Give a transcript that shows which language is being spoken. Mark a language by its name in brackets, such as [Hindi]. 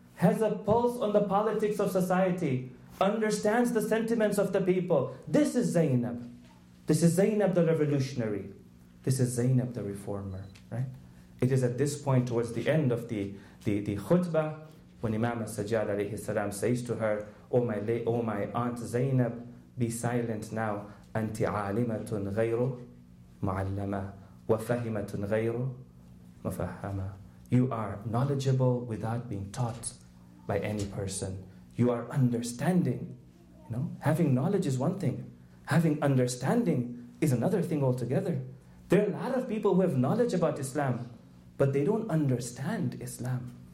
[English] Has a pulse on the politics of society, understands the sentiments of the people. This is Zainab. This is Zainab the revolutionary. this is Zainab the reformer, right? It is at this point towards the end of the khutbah when Imam al-Sajjad alayhi salam says to her, O my aunt Zainab, be silent now. [Arabic] أنت عالمة غير معلمة وفهمة غير مفهمة. [English] You are knowledgeable without being taught by any person. You are understanding. You know, having knowledge is one thing. Having understanding is another thing altogether. There are a lot of people who have knowledge about Islam, but they don't understand Islam.